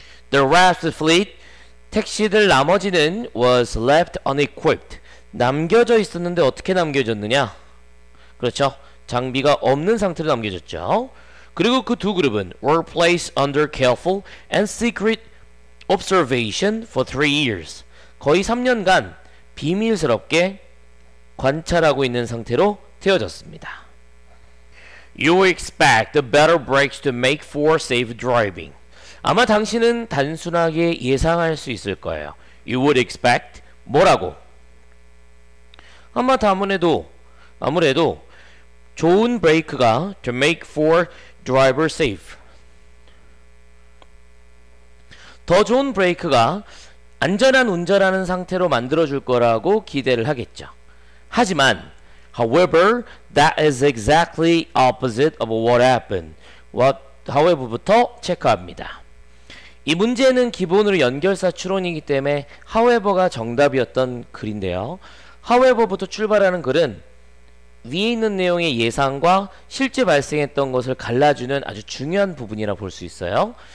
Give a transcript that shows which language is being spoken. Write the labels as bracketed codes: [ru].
[en] The rest of fleet, [ko] 택시들 나머지는 [en] was left unequipped. [ko] 남겨져 있었는데 어떻게 남겨졌느냐? 그렇죠. 장비가 없는 상태로 남겨졌죠. 그리고 그두 그룹은 [en] were placed under careful and secret observation for 3 years. [ko] 거의 3년간 비밀스럽게 관찰하고 있는 상태로 태워졌습니다. [en] You expect the better brakes to make for safe driving. [ko] 아마 당신은 단순하게 예상할 수 있을 거예요. [en] You would expect [ko] 뭐라고? 아마 아무래도 좋은 브레이크가 [en] to make for driver safe. [ko] 더 좋은 브레이크가 안전한 운전하는 상태로 만들어줄 거라고 기대를 하겠죠. 하지만, [en] however, that is exactly opposite of what happened. [ko] however부터 체크합니다. 이 문제는 기본으로 연결사 추론이기 때문에 however가 정답이었던 글인데요. however부터 출발하는 글은 위에 있는 내용의 예상과 실제 발생했던 것을 갈라주는 아주 중요한 부분이라 볼수 있어요.